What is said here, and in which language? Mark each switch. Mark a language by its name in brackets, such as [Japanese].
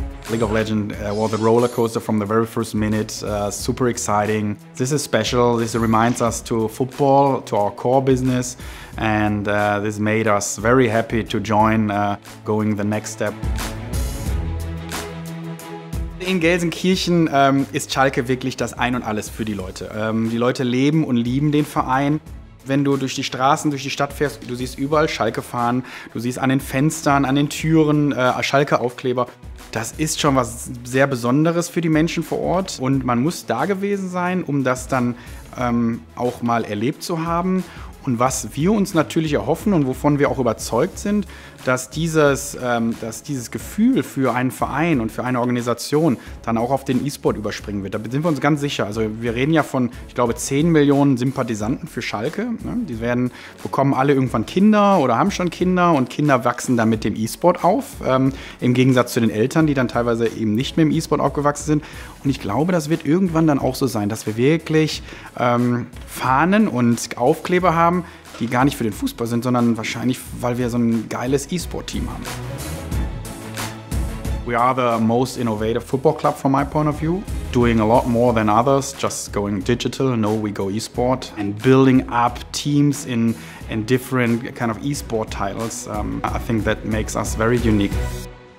[English] League of Legends was a roller coaster from the very first minute, super exciting. This is special. This reminds us to football, to our core business, and this made us very happy to join going the next step. [German] In Gelsenkirchen ist Schalke wirklich das Ein und Alles für die Leute. Die Leute leben und lieben den Verein. Wenn du durch die Straßen, durch die Stadt fährst, du siehst überall Schalke fahren. Du siehst an den Fenstern, an den Türen Schalke-Aufkleber. Das ist schon was sehr Besonderes für die Menschen vor Ort. Und man muss da gewesen sein, um das dann auch mal erlebt zu haben. Und was wir uns natürlich erhoffen und wovon wir auch überzeugt sind, dass dieses Gefühl für einen Verein und für eine Organisation dann auch auf den E-Sport überspringen wird. Da sind wir uns ganz sicher. Also wir reden ja von, ich glaube, 10 Millionen Sympathisanten für Schalke. Die bekommen alle irgendwann Kinder oder haben schon Kinder und Kinder wachsen dann mit dem E-Sport auf. Im Gegensatz zu den Eltern, die dann teilweise eben nicht mehr im E-Sport aufgewachsen sind. Und ich glaube, das wird irgendwann dann auch so sein, dass wir wirklich Fahnen und Aufkleber haben, die gar nicht für den Fußball sind, sondern wahrscheinlich, weil wir so ein geiles E-Sport-Team haben. [English] We are the most innovative football club from my point of view. Doing a lot more than others, just going digital, no, we go e-Sport. And building up teams in different kind of e-Sport titles, I think that makes us very unique.